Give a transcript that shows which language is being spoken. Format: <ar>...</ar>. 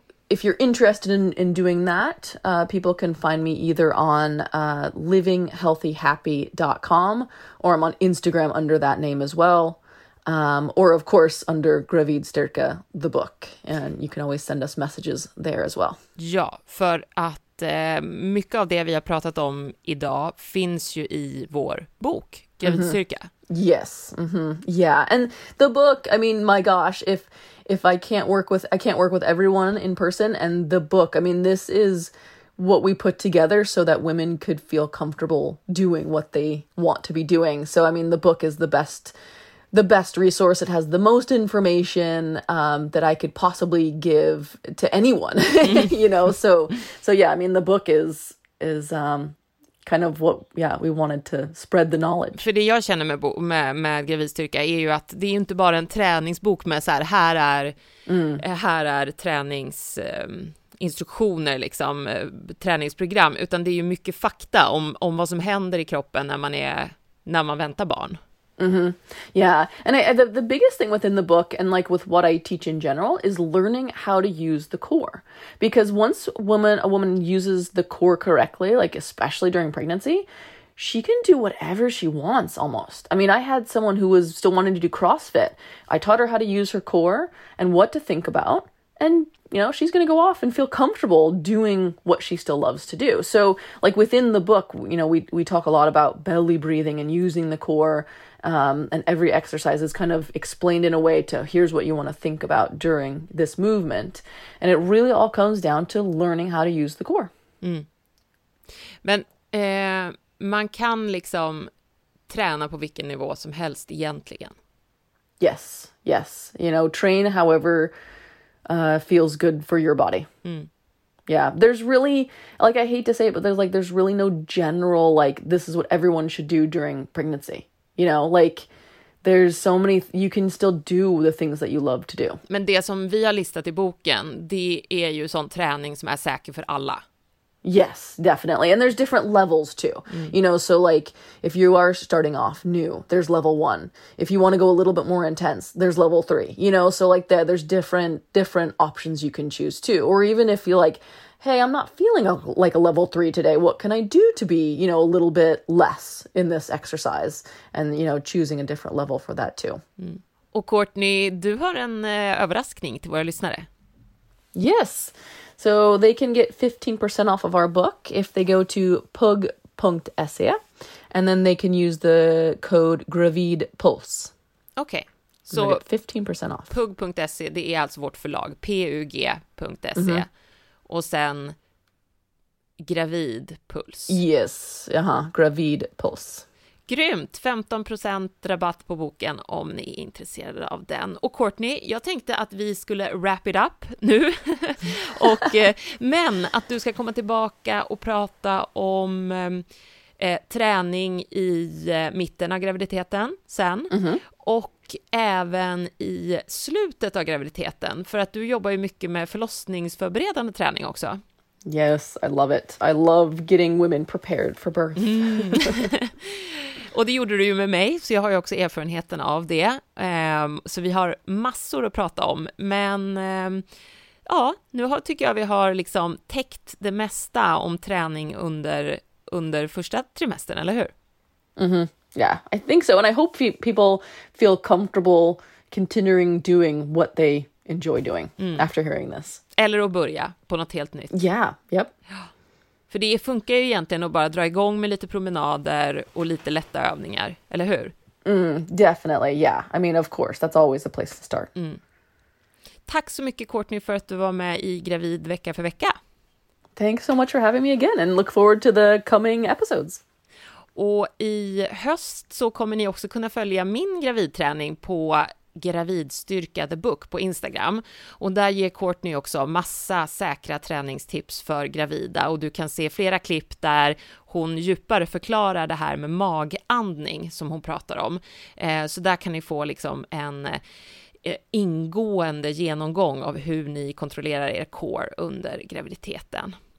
<en>If you're interested in doing that, people can find me either on livinghealthyhappy.com, or I'm on Instagram under that name as well, or of course under Gravid Styrka, the book, and you can always send us messages there as well.</en> <sv>Ja, för att mycket av det vi har pratat om idag finns ju i vår bok Gravid Styrka.</sv> <en>Yes. Yeah. And the book, I mean, my gosh, if I can't work with everyone in person, and the book, I mean, this is what we put together so that women could feel comfortable doing what they want to be doing. So, I mean, the book is the best resource. It has the most information that I could possibly give to anyone, you know? So yeah, I mean, the book is kind of what, yeah, we wanted to spread the knowledge.</en> <sv>För det jag känner med gravidstyrka är ju att det är inte bara en träningsbok med så här är tränings... instruktioner, liksom, träningsprogram, utan det är ju mycket fakta om vad som händer i kroppen när man väntar barn. Mm-hmm.</sv> <en>Yeah, and the biggest thing within the book and like with what I teach in general is learning how to use the core. Because once a woman uses the core correctly, like especially during pregnancy, she can do whatever she wants almost. I mean, I had someone who was still wanting to do CrossFit. I taught her how to use her core and what to think about. And, you know, she's going to go off and feel comfortable doing what she still loves to do. So, like, within the book, you know, we talk a lot about belly breathing and using the core. And every exercise is kind of explained in a way to, here's what you want to think about during this movement. And it really all comes down to learning how to use the core. Mm.</en> <sv>Men man kan liksom träna på vilken nivå som helst egentligen.</sv> <en>Yes, yes. You know, train however... feels good for your body. Mm. Yeah, there's really, like, I hate to say it, but there's really no general, like, this is what everyone should do during pregnancy. You know, like, there's so many, you can still do the things that you love to do.</en> <sv>Men det som vi har listat i boken, det är ju sån träning som är säker för alla.</sv> <en>Yes, definitely. And there's different levels too. Mm. You know, so like if you are starting off new, there's level one. If you want to go a little bit more intense, there's level three. You know, so like there's different options you can choose too. Or even if you're like, hey, I'm not feeling like a level three today. What can I do to be, you know, a little bit less in this exercise? And, you know, choosing a different level for that too. Mm.</en> <sv>Och Courtney, du har en överraskning till våra lyssnare.</sv> <en>Yes. So they can get 15% off of our book if they go to pug.se and then they can use the code gravidpuls. Okay. So 15% off.</en> <sv>Pug.se, det är alltså vårt förlag, pug.se. Mm-hmm. Och sen gravidpuls.</sv> <en>Yes, gravidpuls.</en> <sv>Grymt, 15% rabatt på boken om ni är intresserade av den. Och Courtney, jag tänkte att vi skulle</sv> <en>wrap it up</en> <sv>nu. Och, men att du ska komma tillbaka och prata om träning i mitten av graviditeten sen. Mm-hmm. Och även i slutet av graviditeten. För att du jobbar ju mycket med förlossningsförberedande träning också.</sv> <en>Yes, I love it. I love getting women prepared for birth. Mm.</en> <sv>Och det gjorde du ju med mig, så jag har ju också erfarenheten av det. Så vi har massor att prata om. Men ja, nu tycker jag vi har liksom täckt det mesta om träning under första trimestern, eller hur?</sv> <en>Mm-hmm. Yeah, I think so. And I hope people feel comfortable continuing doing what they enjoy doing after hearing this.</en> <sv>Eller att börja på något helt nytt.</sv> <en>Yeah, yep.</en> <sv>För det funkar ju egentligen att bara dra igång med lite promenader och lite lätta övningar, eller hur?</sv> <en>Mm, definitely, yeah. I mean, of course, that's always a place to start. Mm.</en> <sv>Tack så mycket, Courtney, för att du var med i Gravid vecka för vecka.</sv> <en>Thanks so much for having me again and look forward to the coming episodes.</en> <sv>Och i höst så kommer ni också kunna följa min gravidträning på Gravidstyrka The Book på Instagram, och där ger Courtney också massa säkra träningstips för gravida, och du kan se flera klipp där hon djupare förklarar det här med magandning som hon pratar om, så där kan ni få liksom en ingående genomgång av hur ni kontrollerar er core under graviditeten.</sv>